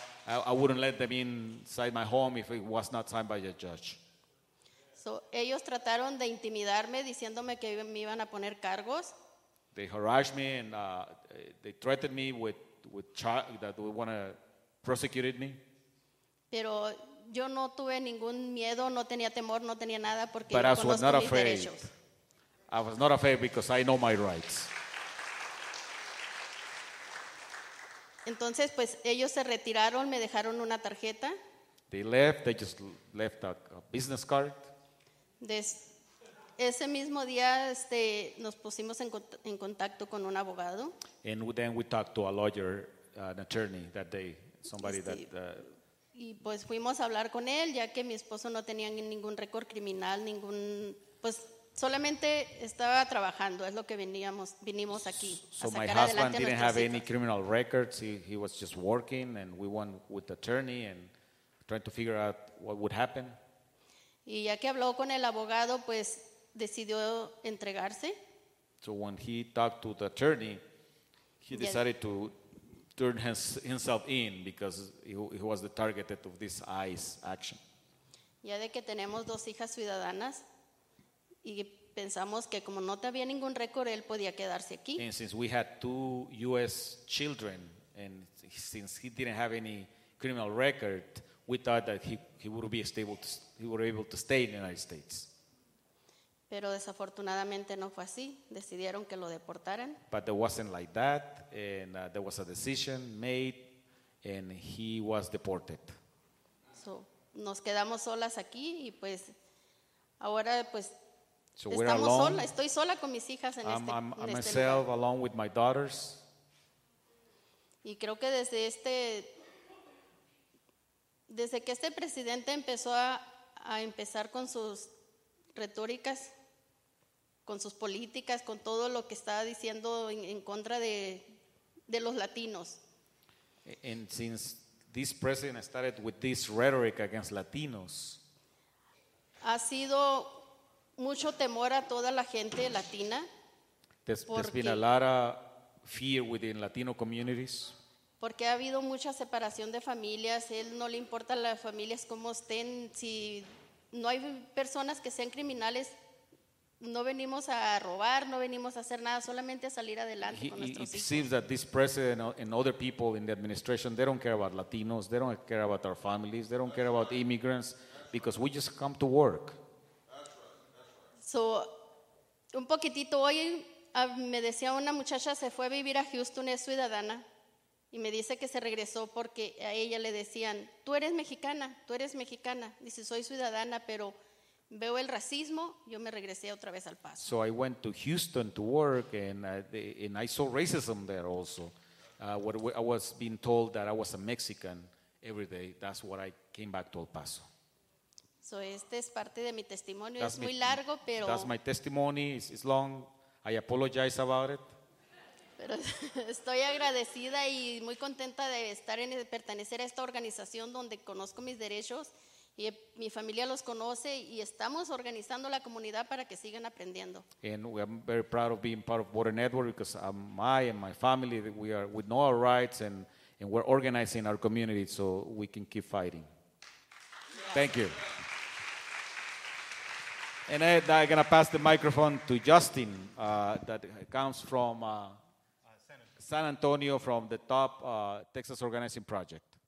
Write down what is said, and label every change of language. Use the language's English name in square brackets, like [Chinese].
[English] I wouldn't let them inside my home if it was not signed by a judge. [Spanish] So ellos trataron de intimidarme diciéndome que me iban a poner cargos. [English] They harassed me and they threatened me with that they want to prosecute me. [Spanish] Pero yo no tuve ningún miedo, no tenía temor, no tenía nada porque yo conozco mis derechos. [English] I was not afraid because I know my rights. [Spanish] Entonces, pues ellos se retiraron, me dejaron una tarjeta. [English] They left, they just left a business card. [Spanish] Ese mismo día nos pusimos en contacto con un abogado. [English] And then we talked to a lawyer, an attorney that day, somebody [Spanish] Y pues fuimos a hablar con él, ya que mi esposo no tenía ningún récord criminal, ningún. Pues solamente estaba trabajando, es lo que vinimos aquí. [English] So my husband didn't have any criminal records, he was just working, and we went with the attorney and trying to figure out what would happen. [Spanish] Y ya que habló con el abogado, pues decidió entregarse. [English] So when he talked to the attorney, he decided to turn himself in because he was the target of this ICE action. [Spanish] Ya de que tenemos dos hijas ciudadanas y pensamos que como no había ningún récord, él podía quedarse aquí. [English] And since we had two U.S. children and since he didn't have any criminal record, we thought that he would be able to stay in the United States. [Spanish] Pero desafortunadamente no fue así. Decidieron que lo deportaran. [English] But it wasn't like that. And there was a decision made and he was deported. [Spanish] So, nos quedamos solas aquí y pues ahora pues estamos sola. Estoy sola con mis hijas en [English] I'm myself [Spanish] lugar. [English] Along with my daughters. [Spanish] Y creo que desde que este presidente empezó a empezar con sus retóricas, con sus políticas, con todo lo que está diciendo en contra de los latinos. [English] And since this president started with this rhetoric against Latinos, [Spanish] ha sido mucho temor a toda la gente latina. [English] There's been a lot of fear within Latino communities. [Spanish] Porque ha habido mucha separación de familias. Él no le importa las familias cómo estén. Si no hay personas que sean criminales, no venimos a robar, no venimos a hacer nada, solamente a salir adelante con nuestros hijos. [English] It seems that this president and other people in the administration, they don't care about Latinos, they don't care about our families, they don't care about immigrants, because we just come to work. [Spanish] So, un poquitito hoy me decía una muchacha, se fue a vivir a Houston, es ciudadana, y me dice que se regresó porque a ella le decían, tú eres mexicana, dice, soy ciudadana, pero veo el racismo, yo me regresé otra vez al paso. [English] So I went to Houston to work and I saw racism there also. I was being told that I was a Mexican every day. That's what I came back to El Paso. [Spanish] So este es parte de mi testimonio. That's muy largo, pero [English] that's my testimony. It's long. I apologize about it. [Spanish] Pero estoy agradecida y muy contenta de estar en pertenecer a esta organización donde conozco mis derechos. Y mi familia los conoce y estamos organizando la comunidad para que sigan aprendiendo. [English] And we are very proud of being part of Border Network because I and my family, we know our rights and we're organizing our community so we can keep fighting. Yeah. Thank you. And Ed, I'm going to pass the microphone to Justin that comes from San Antonio from the top Texas Organizing Project.